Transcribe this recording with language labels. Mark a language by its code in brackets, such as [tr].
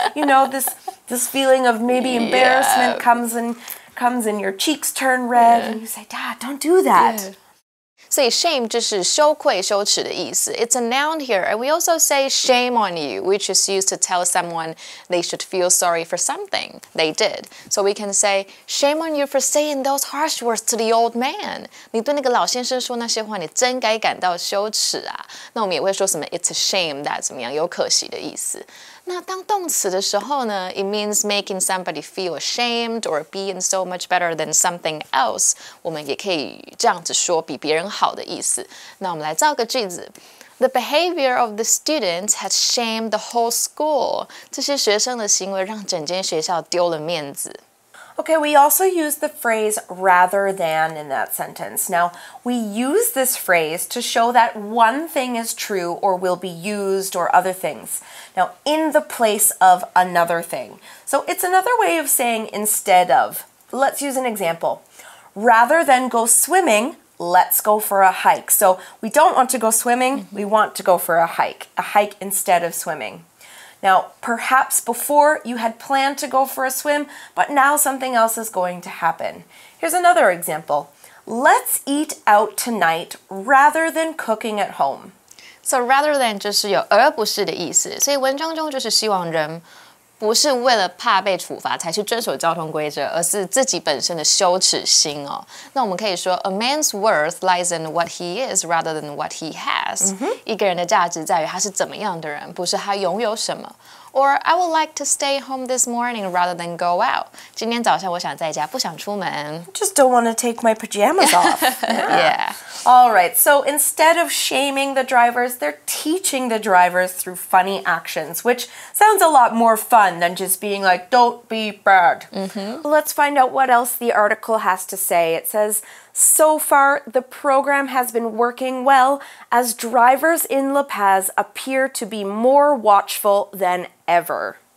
[en] You know, this feeling of maybe embarrassment comes and your cheeks turn red and you say, Dad, don't do that. Yeah. [zh] 所以 shame 就是羞愧、羞耻的意思。 [en] It's a noun here, and we also say shame on you, which is used to tell someone they should feel sorry for something they did. So we can say shame on you for saying those harsh words to the old man. [zh] 你对那个老先生说那些话，你真该感到羞耻啊。那我们也会说什么 [en] it's a shame that [zh] 怎么样，有可惜的意思。那当动词的时候呢 [en] ，it means making somebody feel ashamed or being so much better than something else。 [zh] 我们也可以这样子说，比别人好的意思。那我们来造个句子 [en] ：The behavior of the students has shamed the whole school。 [zh] 这些学生的行为让整间学校丢了面子。 [en] Okay, we also use the phrase rather than in that sentence. Now, we use this phrase to show that one thing is true or will be used or other things. Now, in the place of another thing. So it's another way of saying instead of. Let's use an example. Rather than go swimming, let's go for a hike. So we don't want to go swimming, we want to go for a hike instead of swimming. Now, perhaps before you had planned to go for a swim, but now something else is going to happen. Here's another example. Let's eat out tonight rather than cooking at home. So rather than [zh] 就是有而不是的意思。所以文章中就是希望人不是为了怕被处罚才去遵守交通规则，而是自己本身的羞耻心哦。那我们可以说 [en] ，A man's worth lies in what he is rather than what he has.、 Mm-hmm. [zh] 一个人的价值在于他是怎么样的人，不是他拥有什么。 [en] Or I would like to stay home this morning rather than go out. [zh] 今天早上我想在家，不想出门。 [en] Just don't want to take my pajamas off. Yeah. All right. So instead of shaming the drivers, they're teaching the drivers through funny actions, which sounds a lot more fun than just being like, don't be bad. Mm-hmm. Let's find out what else the article has to say. It says... So far, the program has been working well as drivers in La Paz appear to be more watchful than ever.